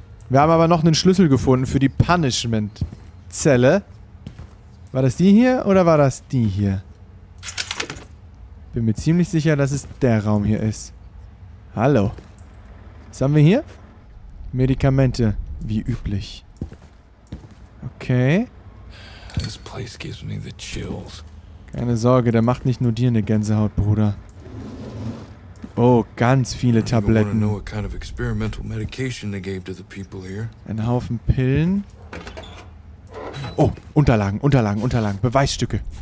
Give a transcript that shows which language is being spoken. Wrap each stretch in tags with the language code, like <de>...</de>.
<de>Wir haben aber noch einen Schlüssel gefunden für die Punishment-Zelle. War das die hier oder war das die hier? Bin mir ziemlich sicher, dass es der Raum hier ist. Hallo. Was haben wir hier? Medikamente, wie üblich. Okay.</de> <en>This place gives me the chills.</en> <de>Keine Sorge, der macht nicht nur dir eine Gänsehaut, Bruder. Oh, ganz viele Tabletten.</de> <en>Kind of experimental medication they gave to the people here.</en> <de>Ein Haufen Pillen. Oh, Unterlagen, Beweisstücke.</de>